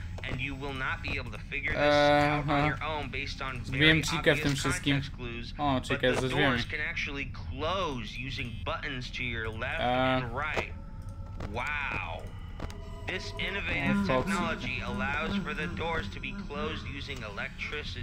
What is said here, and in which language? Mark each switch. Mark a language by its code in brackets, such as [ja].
[en] And you will not be able to figure this out on your own based on [pl] wiem, Chica w tym wszystkim. [en] Clues, [pl] o, Chica jest za drzwiami. [en] Can actually close using buttons to your left and right. Wow. This innovative technology allows for the doors to be closed using electricity.